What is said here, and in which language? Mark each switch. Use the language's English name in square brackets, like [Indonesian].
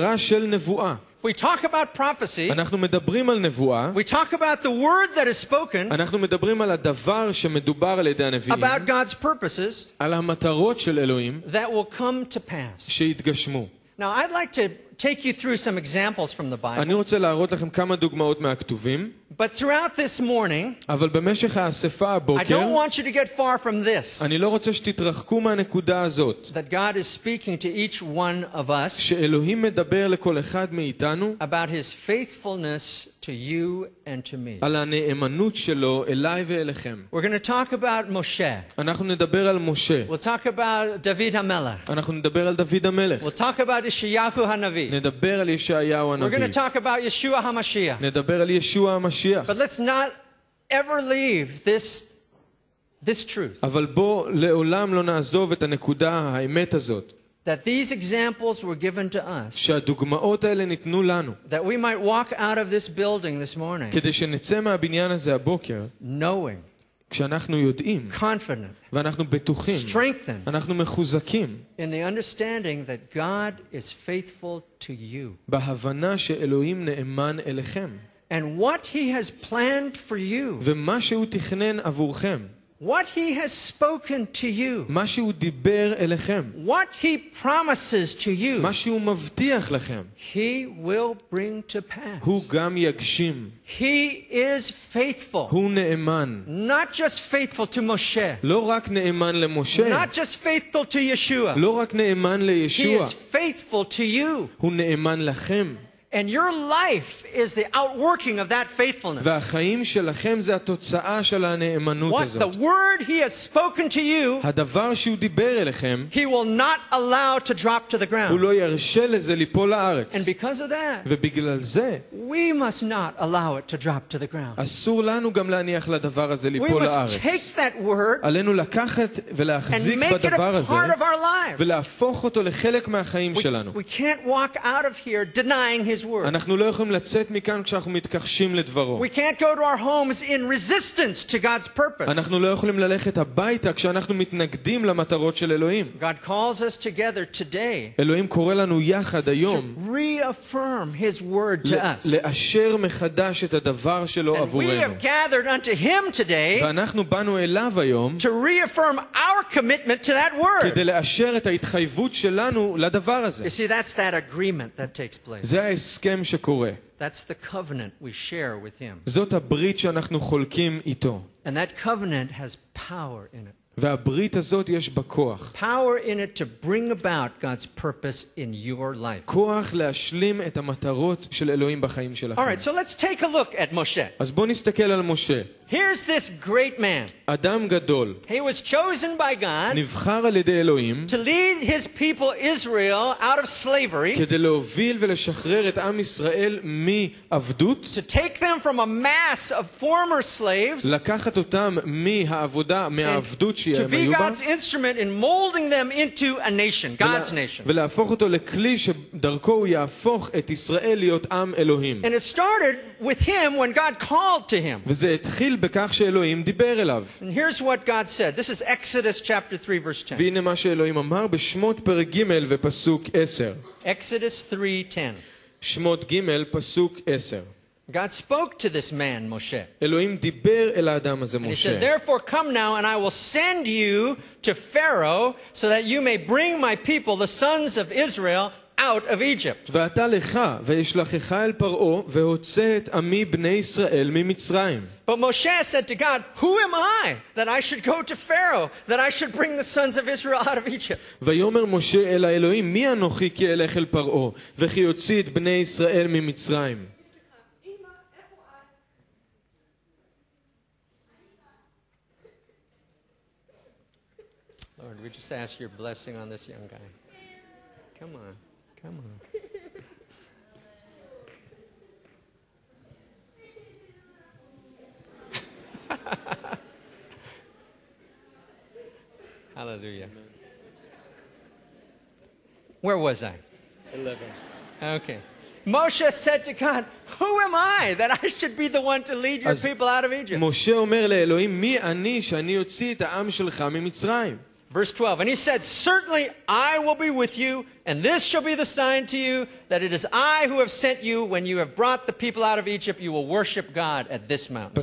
[English] If we talk about prophecy, we talk about the word that is spoken, about God's purposes, that will come to pass. Now, I'd like to take you through some examples from the Bible. [Hebrew] אני רוצה להראות לכם כמה דוגמאות מהכתובים. [English] But throughout this morning, [Hebrew] אבל במשך האספה הבוקר, [English] I don't want you to get far from this. [Hebrew] אני לא רוצה שתתרחקו מהנקודה הזאת. [English] That God is speaking to each one of us. [Hebrew] שאלוהים מדבר לכל אחד מאיתנו. [English] About his faithfulness to you and to me. [Hebrew] על הנאמנות שלו אליי ואליכם. [English] We're going to talk about Moshe. [Hebrew] אנחנו נדבר על משה. [English] We'll talk about David המלך. [Hebrew] אנחנו נדבר על דוד המלך. [English] We'll talk about ישעיהו הנביא. [Hebrew] נדבר על ישעיהו הנביא. [English] We're going to talk about ישוע המשיח. [Hebrew] נדבר על ישוע המשיח. [English] But let's not ever leave this truth. [Hebrew] אבל בוא לעולם לא נעזוב את הנקודה האמת הזאת. [English] That these examples were given to us. [Hebrew] שהדוגמאות האלה ניתנו לנו. [English] That we might walk out of this building this morning. [Hebrew] כדי שנצא מהבניין הזה הבוקר. [English] Knowing. [Hebrew] כשאנחנו יודעים. [English] Confident. [Hebrew] ואנחנו בטוחים. [English] Strengthened. [Hebrew] אנחנו מחוזקים. [English] In the understanding that God is faithful to you. [Hebrew] בהבנה שאלוהים נאמן אליכם. [English] And what he has planned for you. [Hebrew] ומה שהוא תכנן עבורכם. [English] What he has spoken to you. [Hebrew] מה שהוא דיבר אליכם. [English] What he promises to you. [Hebrew] מה שהוא מבטיח לכם. [English] He will bring to pass. [Hebrew] הוא גם יגשים. [English] He is faithful. [Hebrew] הוא נאמן. [English] Not just faithful to Moshe. [Hebrew] לא רק נאמן למשה. [English] Not just faithful to Yeshua. [Hebrew] לא רק נאמן לישוע. [English] He is faithful to you. [Hebrew] הוא נאמן לכם. [English] And your life is the outworking of that faithfulness. [Hebrew] והחיים שלכם זה התוצאה של הנאמנות הזאת. [English] What the word he has spoken to you, [Hebrew] הדבר שהוא דיבר אליכם, [English] he will not allow to drop to the ground. [Hebrew] הוא לא ירשה לזה ליפול לארץ. [English] And because of that, [Hebrew] ובגלל זה, [English] we must not allow it to drop to the ground. [Hebrew] אסור לנו גם להניח לדבר הזה ליפול לארץ. [English] We must take that word, [Hebrew] עלינו לקחת ולהחזיק בדבר הזה, [English] and make it a part of our lives. [Hebrew] ולהפוך אותו לחלק מהחיים שלנו. [English] We can't walk out of here denying his word. [Hebrew] אנחנו לא יכולים לצאת מכאן כשאנחנו מתכחשים לדברו. [English] We can't go to our homes in resistance to God's purpose. [Hebrew] אנחנו לא יכולים ללכת הביתה כשאנחנו מתנגדים למטרות של אלוהים. [English] God calls us together today. [Hebrew] אלוהים קורא לנו יחד היום. [English] To reaffirm his word to us. [Hebrew] לאשר מחדש את הדבר שלו עבורנו. [English] And we have gathered unto him today. [Hebrew] ואנחנו באנו אליו היום. [English] To reaffirm our commitment to that word. [Hebrew] כדי לאשר את ההתחייבות שלנו לדבר הזה. [English] You see, that's that agreement that takes place. [Hebrew] זה הסכם שקורה. [English] That's the covenant we share with him. [Hebrew] זאת הברית שאנחנו חולקים איתו. [English] And that covenant has power in it. [Hebrew] והברית הזאת יש בה כוח. [English] Power in it to bring about God's purpose in your life. [Hebrew] כוח להשלים את המטרות של אלוהים בחיים שלכם. [English] All right, so let's take a look at Moshe. [Hebrew] אז בוא נסתכל על משה. [English] Here's this great man. [Hebrew] אדם גדול. [English] He was chosen by God. [Hebrew] נבחר על ידי אלוהים. [English] To lead his people Israel out of slavery. [Hebrew] כדי להוביל ולשחרר את עם ישראל מעבדות. [English] To take them from a mass of former slaves. [Hebrew] לקחת אותם מהעבודה, מהעבדות שהם היו בה. [English] To be God's instrument in molding them into a nation, God's nation. [Hebrew] ולהפוך אותו לכלי שדרכו הוא יהפוך את ישראל להיות עם אלוהים. [English] And it started with him when God called to him. [Hebrew] וזה התחיל בכך שאלוהים דיבר אליו. [English] And here's what God said. This is Exodus chapter 3 verse 10. [Hebrew] והנה מה שאלוהים אמר בשמות פרק ג' ופסוק 10. [English] Exodus 3:10. [Hebrew] שמות ג' פסוק 10. [English] God spoke to this man Moshe. [Hebrew] אלוהים דיבר אל האדם הזה משה. [English] And he said, "Therefore come now and I will send you to Pharaoh so that you may bring my people the sons of Israel out of Egypt." [Hebrew] ואתה לך וישלחך אל פרעה והוצא את עמי בני ישראל ממצרים. [English] But Moshe said to God, "Who am I that I should go to Pharaoh, that I should bring the sons of Israel out of Egypt?" [Hebrew] ויאמר משה אל האלוהים, "מי אנוכי כי אלך אל פרעה וכי יוציא את בני ישראל ממצרים?" [English] Lord, we just ask your blessing on this young guy. Come on. Come on. Hallelujah. Where was I? 11. Okay. Moshe said to God, "Who am I that I should be the one to lead your people out of Egypt?" [Hebrew] Moshe אומר לאלוהים, "מי אני שאני אוציא את העם שלך ממצרים?" [English] Verse 12, and he said, "Certainly I will be with you, And this shall be the sign to you that it is I who have sent you. When you have brought the people out of Egypt, you will worship God at this mountain.